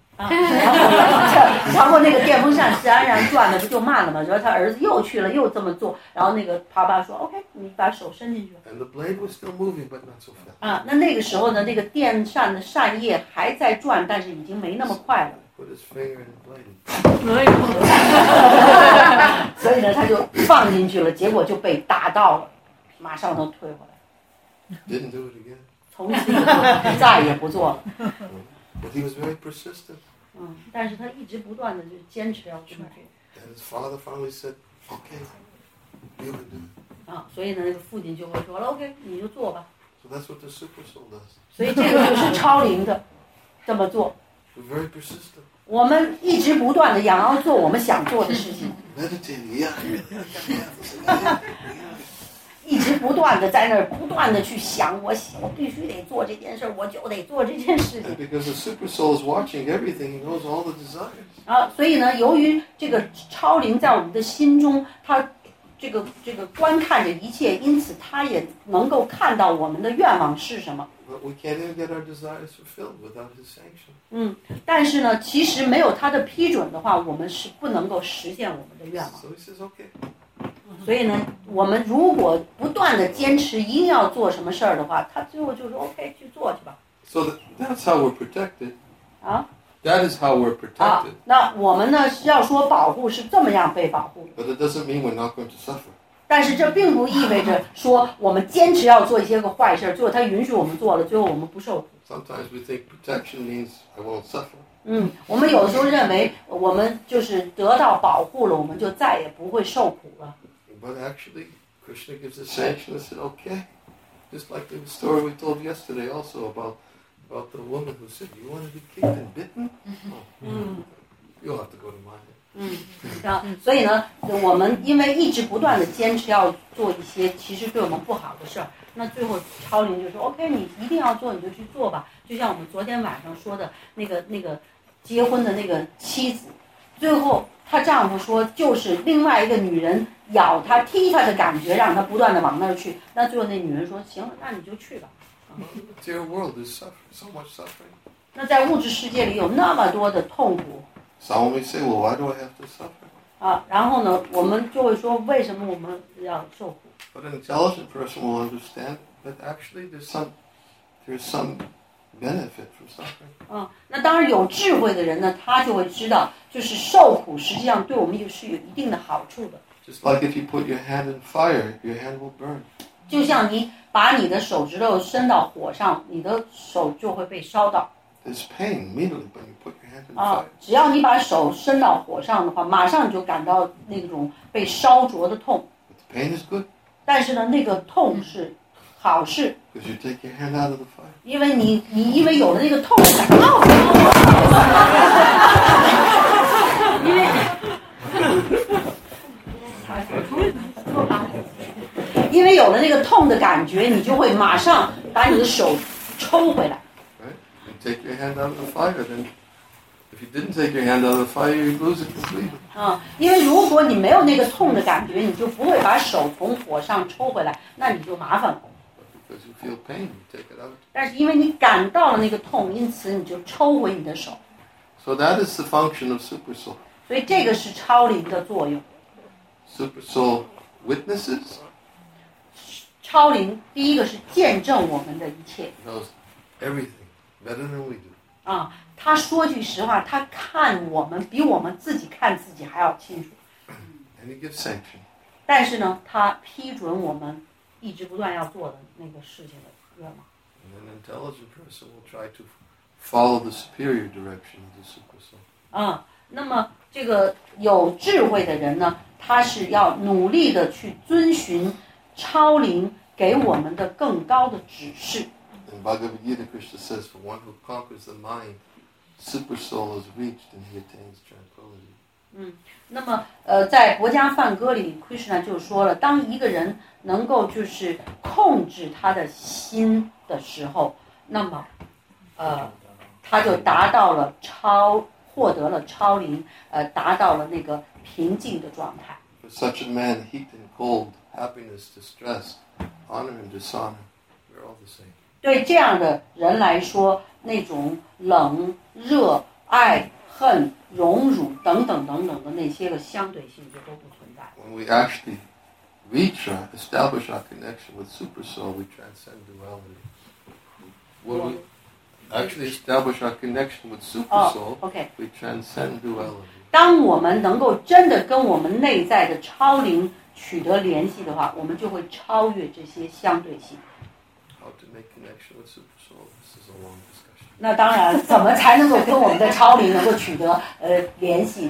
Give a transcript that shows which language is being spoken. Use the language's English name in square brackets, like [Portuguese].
[Chinese] 然后那个电风扇是安然转的，不就慢了吗？然后他儿子又去了，又这么做，然后那个他爸说 ：“OK， 你把手伸进去。” [English] And the blade was still moving, but not so fast. [Chinese] 那那个时候呢，那个电扇的扇叶还在转，但是已经没那么快了。 [English] Put his finger in the blade. [Chinese] 所以呢，他就放进去了，结果就被打到了，马上都退回来。 [English] Didn't do it again. [Chinese] 从此以后再也不做了。 [English] But he was very persistent. [Chinese] 但是他一直不断的就坚持要去买。 [English] And his father finally said, "Okay, you can do it." [Chinese] 所以呢，那个父亲就会说了 ，OK， 你就做吧。 [English] So that's what the super soul does. [Chinese] 所以这个就是超灵的，这么做。 [English] We're very persistent. [Chinese] 我们一直不断的想要做我们想做的事情。 [English] Meditating, yeah. [Chinese] 一直不断的在那儿不断的去想我必须得做这件事我就得做这件事情。 [English] Because the super soul is watching everything, he knows all the desires. [Chinese] 所以呢，由于这个超灵在我们的心中，他这个观看着一切，因此他也能够看到我们的愿望是什么。 [English] But we can't even get our desires fulfilled without his sanction. [Chinese] 但是呢，其实没有他的批准的话，我们是不能够实现我们的愿望。 [English] So he says okay. [Chinese] 所以呢，我们如果不断的坚持一定要做什么事儿的话，他最后就说 OK， 去做去吧。 [English] So that's how we're protected. That is how we're protected. [Chinese] 那我们呢，要说保护是这么样被保护。 [English] But it doesn't mean we're not going to suffer. [Chinese] 但是这并不意味着说我们坚持要做一些个坏事，最后他允许我们做了，最后我们不受苦。 [English] Sometimes we think protection means I won't suffer. [Chinese] 我们有时候认为我们就是得到保护了，我们就再也不会受苦了。 [English] But actually, Krishna gives a sanction and said, okay. Just like the story we told yesterday also about the woman who said, you want to be kicked and bitten? You'll have to go to my head. [Chinese] 所以呢，我们因为一直不断的坚持要做一些其实对我们不好的事，那最后超灵就说 OK， 你一定要做，你就去做吧。就像我们昨天晚上说的那个结婚的那个妻子，最后她丈夫说就是另外一个女人咬他踢他的感觉，让他不断的往那儿去。那最后那女人说：“行了，那你就去吧。” [English] Dear world is suffering, so much suffering. [Chinese] 那在物质世界里有那么多的痛苦。 [English] Some may say, "Well, why do I have to suffer?" [Chinese] 然后呢，我们就会说，为什么我们要受苦 [English] ？But an intelligent person will understand that actually there's some benefit from suffering. [Chinese] 那当然有智慧的人呢，他就会知道，就是受苦实际上对我们也是有一定的好处的。 [English] Just like if you put your hand in fire, your hand will burn. [Chinese] 就像你把你的手指头伸到火上，你的手就会被烧到。 [English] There's pain immediately when you put your hand in fire. [Chinese] 只要你把手伸到火上的话，马上你就感到那种被烧灼的痛。 [English] But the pain is good. [Chinese] 但是呢，那个痛是好事。 [English] Because you take your hand out of the fire. [Chinese] 因为你因为有了那个痛感，因为有了那个痛的感觉，你就会马上把你的手抽回来。 [English] Right, you take your hand out of the fire. Then, if you didn't take your hand out of the fire, you lose it completely. [Chinese] 因为如果你没有那个痛的感觉，你就不会把手从火上抽回来，那你就麻烦了。 [English] Because you feel pain, you take it out. [Chinese] 但是因为你感到了那个痛，因此你就抽回你的手。 [English] So that is the function of super soul. [Chinese] 所以这个是超灵的作用。 [English] Super soul witnesses. [Chinese] 超灵第一个是见证我们的一切。 [English] Knows everything better than we do. [Chinese] 他说句实话，他看我们比我们自己看自己还要清楚。 [English] And he gives sanction. [Chinese] 但是呢，他批准我们一直不断要做的那个事情的愿望。 [English] And an intelligent person will try to follow the superior direction of the super soul. [Chinese] 那么这个有智慧的人呢，他是要努力的去遵循超灵给我们的更高的指示。 [English] In Bhagavad Gita, Krishna says, "For one who conquers the mind, super soul is reached, and he attains tranquility." [Chinese] 那么在国家梵歌里 ，Krishna 就说了，当一个人能够就是控制他的心的时候，那么他就达到了超。获得了超灵，达到了那个平静的状态。 [English] For such a man, heat and cold, happiness, distress, honor and dishonor, they're all the same. [Chinese] 对这样的人来说，那种冷、热、爱、恨、荣辱等等等等的那些个相对性就都不存在。 [English] When we actually reach our, establish our connection with Super Soul, we transcend duality. When we actually establish our connection with Super Soul, we transcend duality. [Chinese] 当我们能够真的跟我们内在的超灵取得联系的话，我们就会超越这些相对性。 [English] How to make connection with Super Soul? This is a long discussion. [Chinese] 那当然，怎么才能够跟我们的超灵能够取得联系？